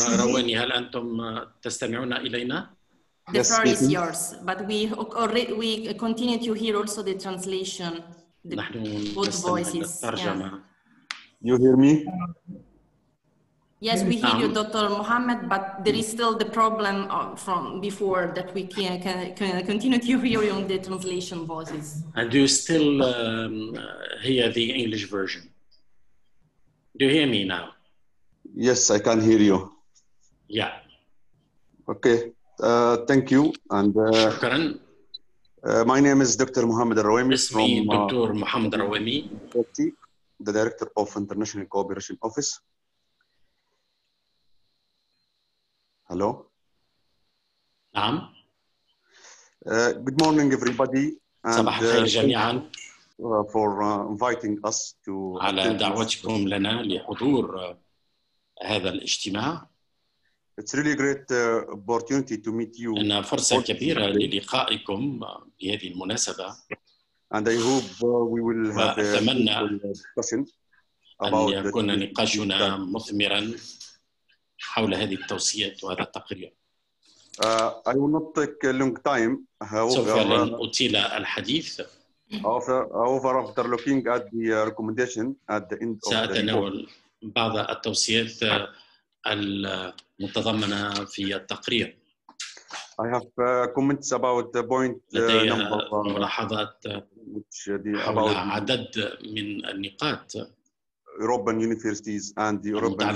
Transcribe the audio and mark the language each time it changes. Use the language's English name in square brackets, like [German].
[Arabic] Rawani, هل أنتم تستمعون إلينا؟ [English] The floor is yours, but we continue to hear also the translation. You hear me? Yes, we hear you, Dr. Mohamed, but there is still the problem from before that we can continue to hear you on the translation voices. And do you still hear the English version? Do you hear me now? Yes, I can hear you. Yeah. Okay, thank you. And. [Arabic] Shukran. [English] My name is Dr. Mohamed Rawami. Dr. Mohamed Rawami. The Director of International Cooperation Office. Hello? Good morning, everybody. [Arabic] صباح الخير جميعا. [English] For inviting us to. [Arabic] على دعوتكم لنا لحضور هذا الاجتماع. [English] It's really a great opportunity to meet you. [Arabic] إن فرصة كبيرة للقائكم بهذه المناسبة. [English] And I hope we will have a discussion about [Arabic] أن يكون نقاشنا مثمرا حول هذه التوصيات وهذا التقرير. [English] I will not take a long time. [Arabic] سوف لن أطيل الحديث. [English] After looking at the recommendation at the end of the report. [Arabic] سأتناول بعض التوصيات المتضمنة في التقرير. [English] I have comments about the point number. [Arabic] ملاحظات حول عدد من النقاط. [English] European universities and the European